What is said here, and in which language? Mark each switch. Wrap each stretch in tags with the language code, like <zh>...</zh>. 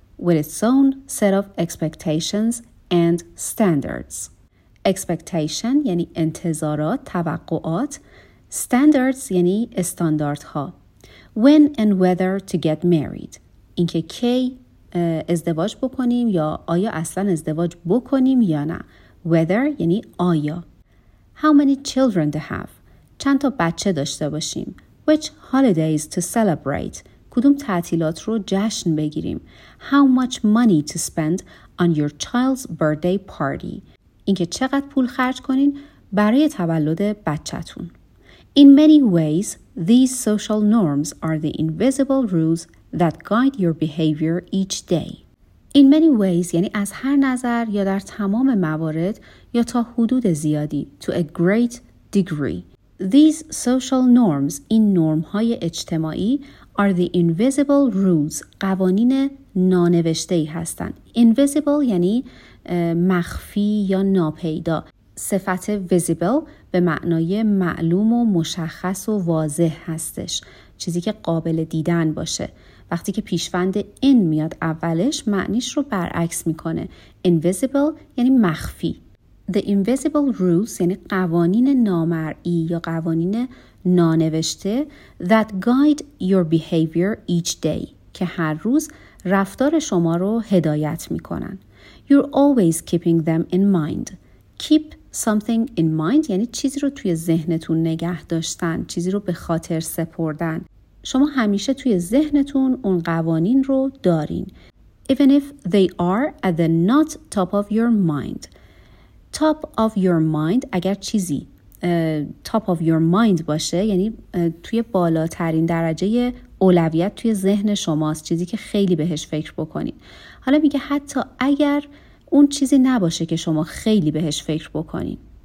<en>with its own set of expectations and standards.</en> <fa>Expectation یعنی انتظارات، توقعات. Standards یعنی استانداردها.</fa> <en>When and whether to get married.</en> <fa>اینکه کی ازدواج بکنیم یا آیا اصلا ازدواج بکنیم یا نه.</fa> <en>Whether</en> <fa>یعنی آیا.</fa> <en>How many children to have.</en> <fa>چند تا بچه داشته باشیم.</fa> <en>Which holidays to celebrate.</en> <fa>کدوم تعطیلات رو جشن بگیریم.</fa> <en>How much money to spend on your child's birthday party.</en> <fa>اینکه چقدر پول خرج کنین برای تولد بچه‌تون.</fa> <en>In many ways, these social norms are the invisible rules that guide your behavior each day. In many ways,</en> <fa>یعنی از هر نظر یا در تمام موارد یا تا حدود زیادی,</fa> <en>to a great degree. These social norms,</en> <fa>این نرم‌های اجتماعی,</fa> <en>are the invisible rules,</en> <fa>قوانین نانوشته‌ای هستند. Invisible یعنی مخفی یا ناپیدا. صفت visible به معنای معلوم و مشخص و واضح هستش. چیزی که قابل دیدن باشه. وقتی که پیشوند in میاد اولش معنیش رو برعکس میکنه. Invisible یعنی مخفی.</fa> <en>The invisible rules</en> <fa>یعنی قوانین نامرئی یا قوانین نانوشته</fa> <en>that guide your behavior each day</en> <fa>که هر روز رفتار شما رو هدایت میکنن.</fa> <en>You're always keeping them in mind. Keep something in mind</en> <fa>یعنی چیزی رو توی ذهنتون نگه داشتن، چیزی رو به خاطر سپردن. شما همیشه توی ذهنتون اون قوانین رو دارین.</fa> <en>Even if they are at the not top of your mind. Top of your mind</en> <fa>اگر چیزی top of your mind باشه یعنی توی بالاترین درجه اولویت توی ذهن شماست، چیزی که خیلی بهش فکر بکنین. حالا میگه حتی اگر اون چیزی نباشه که شما خیلی بهش فکر بکنین.</fa>